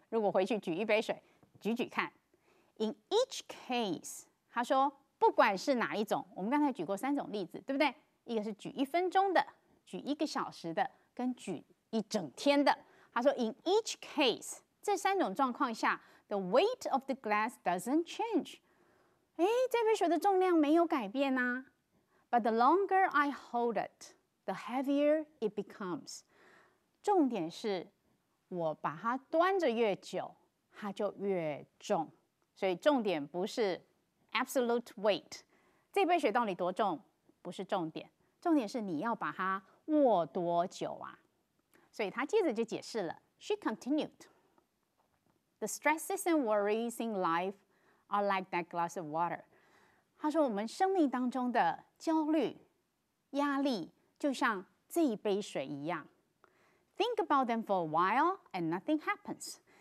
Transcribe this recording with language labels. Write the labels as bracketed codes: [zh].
[zh] 如果回去举一杯水，举举看。 In each case，他说不管是哪一种，我们刚才举过三种例子，对不对？一个是举一分钟的，举一个小时的，跟举一整天的。 [en] 他说，In each case，这三种状况下，the weight of the glass doesn't change。 [zh] 哎，这杯水的重量没有改变啊。 [en] But the longer I hold it, the heavier it becomes. [zh] 重点是，我把它端着越久，它就越重。所以重点不是 absolute weight，这杯水到底多重不是重点，重点是你要把它握多久啊。 [en] 所以他接着就解释了。 She continued. The stresses and worries in life. Are like that glass of water. [zh] 他说我们生命当中的焦虑、压力就像这一杯水一样。 [en] Think about them for a while and nothing happens.